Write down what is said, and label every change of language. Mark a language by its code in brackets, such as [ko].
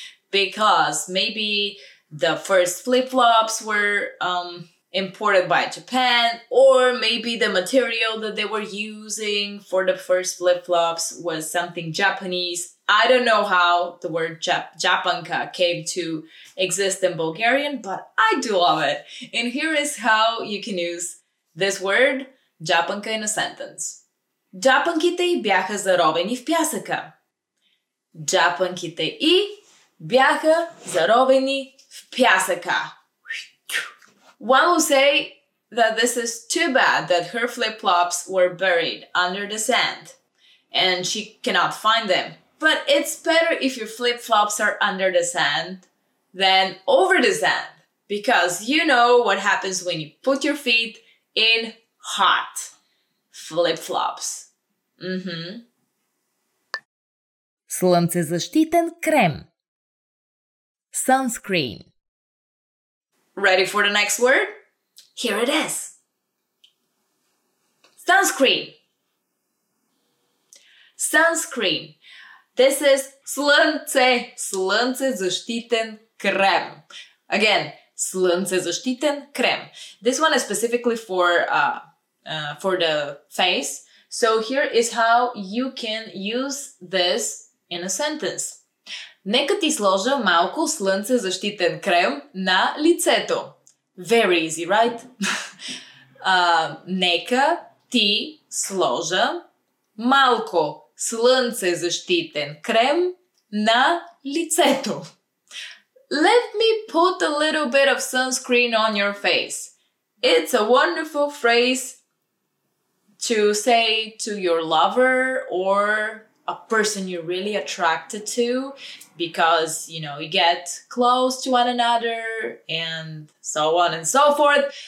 [en] Because maybe the first flip-flops were imported by Japan, or maybe the material that they were using for the first flip-flops was something Japanese. I don't know how the word japanka came to exist in Bulgarian, but I do love it. And here is how you can use this word. Джапанка in a sentence. [bg] Джапанките й бяха заровени в пясъка. Джапанките й бяха заровени в пясъка. [en] One will say that this is too bad that her flip-flops were buried under the sand and she cannot find them. But it's better if your flip-flops are under the sand than over the sand, because you know what happens when you put your feet in hot flip-flops. Mm-hmm. [bg] Слънцезащитен крем. [en] Sunscreen. Ready for the next word? Here it is. Sunscreen. Sunscreen. This is слънцезащитен крем. Again, слънцезащитен крем. This one is specifically for the face. So here is how you can use this in a sentence. [bg] Нека ти сложа малко слънцезащитен крем на лицето. [en] Very easy, right? [bg] Нека ти сложа малко слънцезащитен крем на лицето. [en] Let me put a little bit of sunscreen on your face. It's a wonderful phrase to say to your lover or a person you're really attracted to, because, you know, you get close to one another and so on and so forth.